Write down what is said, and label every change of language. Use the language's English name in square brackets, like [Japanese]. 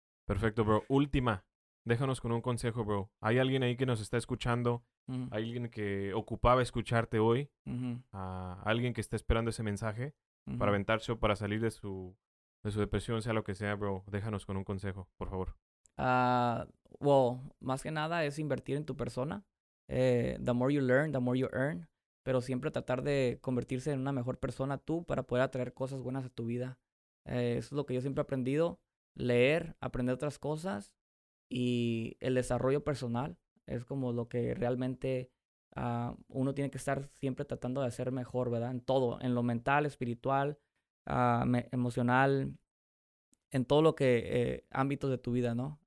[Spanish] Perfecto, bro. Última. Déjanos con un consejo, bro. Hay alguien ahí que nos está escuchando. Hay alguien que ocupaba escucharte hoy. Alguien que está esperando ese mensaje. Para aventarse o para salir de su depresión, sea lo que sea, bro, déjanos con un consejo, por favor. Más que nada es invertir en tu persona. [English] The more you learn, the more you earn. [Spanish] Pero siempre tratar de convertirse en una mejor persona tú para poder atraer cosas buenas a tu vida. Eso es lo que yo siempre he aprendido. Leer, aprender otras cosas. Y el desarrollo personal es como lo que realmente... uno tiene que estar siempre tratando de ser mejor, ¿verdad? En todo, en lo mental, espiritual, emocional, en todo lo que ámbitos de tu vida, ¿no?